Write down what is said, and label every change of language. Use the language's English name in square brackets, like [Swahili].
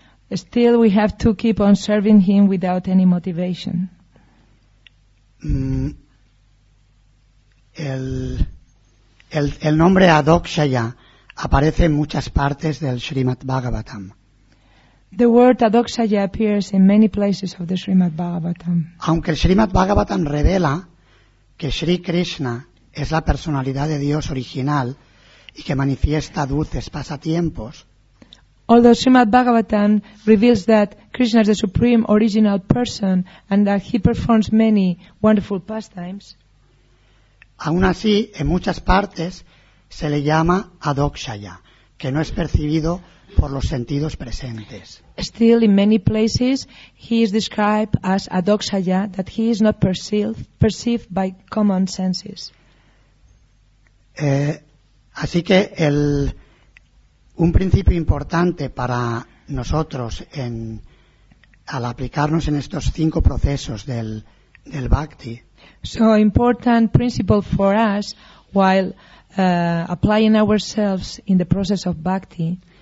[English] Still we have to keep on serving him without any motivation. [Spanish] El nombre Adokshaya aparece en muchas partes del Srimad Bhagavatam. [English] The word Adokshaya appears in many places of the Srimad Bhagavatam. [Spanish] Aunque el Srimad Bhagavatam revela que Sri Krishna es la personalidad de Dios original y que manifiesta dulces pasatiempos. [English] Although Srimad Bhagavatam reveals that Krishna is the supreme original person and that he performs many wonderful pastimes, [Spanish] aún así, en muchas partes se le llama Adokshaya, que no es percibido por los sentidos presentes. [English] Still, in many places, he is described as Adokshaya, that he is not perceived by common senses. [Spanish] Así que un principio importante para nosotros al aplicarnos en estos cinco procesos del Bhakti. [English] So important principle for us while applying ourselves in the process of Bhakti